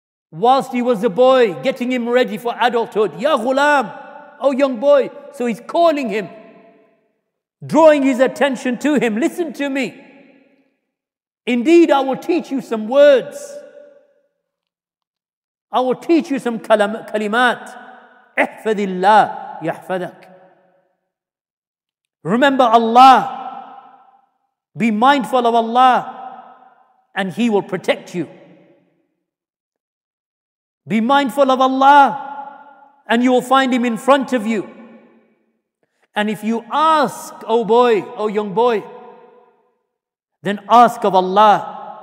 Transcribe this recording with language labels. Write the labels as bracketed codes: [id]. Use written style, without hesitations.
[en] Whilst he was a boy, getting him ready for adulthood. Ya Ghulam, oh young boy. So he's calling him, drawing his attention to him. Listen to me. Indeed, I will teach you some words. I will teach you some kalimat. [ar] احفظ الله يحفظك. [en] Remember Allah, Be mindful of Allah and He will protect you. Be mindful of Allah and you will find Him in front of you. And if you ask, oh boy, oh young boy, then ask of Allah.